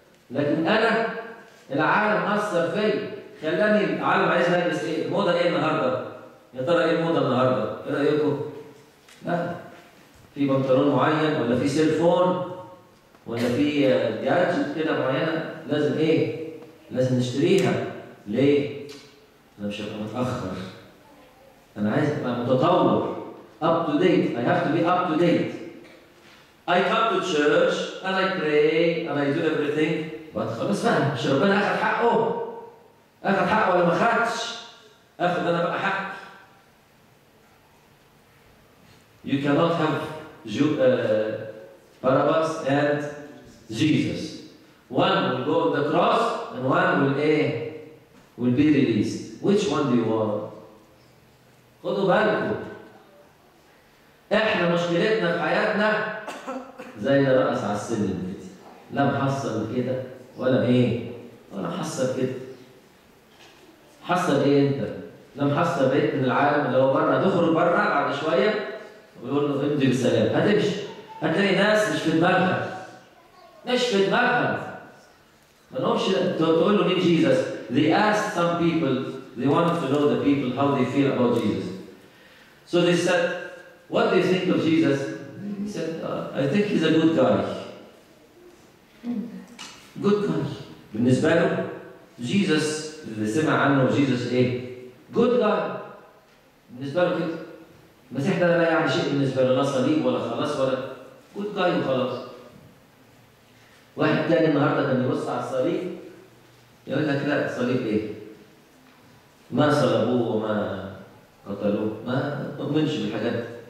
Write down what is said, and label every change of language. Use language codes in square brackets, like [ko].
[ar] لكن انا العالم اثر فيا، خلاني العالم عايز البس ايه؟ الموضه ايه النهارده؟ يا ترى ايه الموضه النهارده؟ ايه رايكم؟ لا، في بنطلون معين ولا في سيلفون ولا في جادجت كده معينه لازم ايه؟ لازم نشتريها. ليه؟ انا مش هبقى متاخر، انا عايز ابقى متطور. [en] Up to date. I have to be up to date. I come to church and I pray and I do everything. [ar] But خلاص فاهم، مش ربنا أخذ حقه؟ أخذ حقه ولا ما أخذش؟ أخذ أنا بقى حق. [en] You cannot have Barabbas and Jesus. One will go on the cross and one will be released. Which one do you want? [ar] خذوا بالكم. احنا مشكلتنا في حياتنا زي اللي رقص على السلم كده، لا محصل كده ولا ايه؟ ولا محصل كده. محصل ايه انت؟ لا محصل بيت من العالم اللي هو بره، تخرج بره بعد شويه ويقول له امضي بسلام، هتمشي هتلاقي ناس مش في دماغها، مش في دماغها. ما نقومش تقول له مين جيزس؟ [en] They asked some people, they wanted to know the people how they feel about Jesus. So they said, What do you think of Jesus? He said, I think he's a good guy. Good guy. [ar] بالنسبة له Jesus اللي سمع عنه Jesus ايه؟ [en] Good guy. [ar] بالنسبة له كده. المسيح ده لا يعني شيء بالنسبة له، لا صليب ولا خلاص ولا [en] Good guy [ar] وخلاص. واحد تاني النهارده كان يبص على الصليب يقول لك لا الصليب ايه؟ ما صلبوه وما قتلوه، ما تؤمنش بالحاجات دي.